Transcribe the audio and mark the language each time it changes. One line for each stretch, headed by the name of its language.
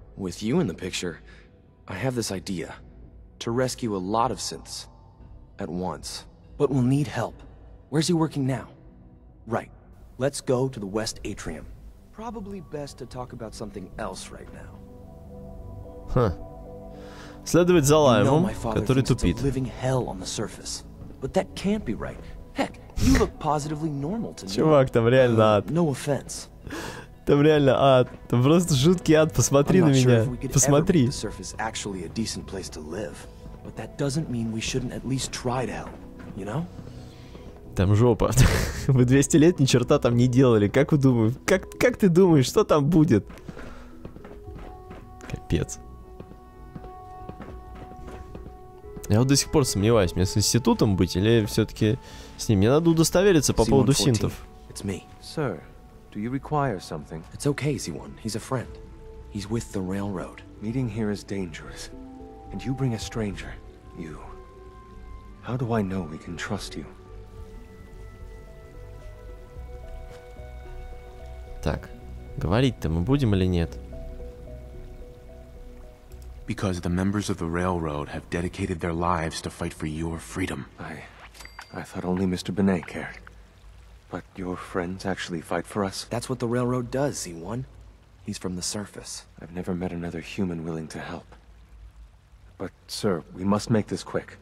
English: With you in the picture, I have this idea. To rescue a lot of synths. At once. But we'll need help. Where's he working now? Right. Let's go to the West Atrium. Probably best to talk about something else right now. Huh.
Russian: Следовать за Лаймом, который тупит.
English: Living hell on the surface. But that can't be right. Heck, you look positively normal to me.
Russian: Чувак, там реально ад.
English: No offense.
Russian: Там реально ад. Там просто жуткий ад. Посмотри на меня. Посмотри.
English: The surface actually a decent place to live, but that doesn't mean we shouldn't at least try to help. You know?
Russian: Там жопа. Вы 200 лет ни черта там не делали. Как вы думаете? Как ты думаешь, что там будет? Капец. Я вот до сих пор сомневаюсь, мне с институтом быть или все-таки с ним. Мне надо удостовериться по поводу синтов.
English: It's me. Sir, do you require something? It's okay, Z1. He's a friend. He's with the railroad. Meeting here is dangerous. And you bring a stranger. You. How do I know we can trust you?
Russian: Так, говорить-то мы будем или нет?
English: Because the members of the railroad have dedicated their lives to fight for your freedom. I thought only Mr. Binet cared. But your friends actually fight for us? That's what the railroad does, Z1. He's from the surface. I've never met another human willing to help. But, sir, we must make this quick.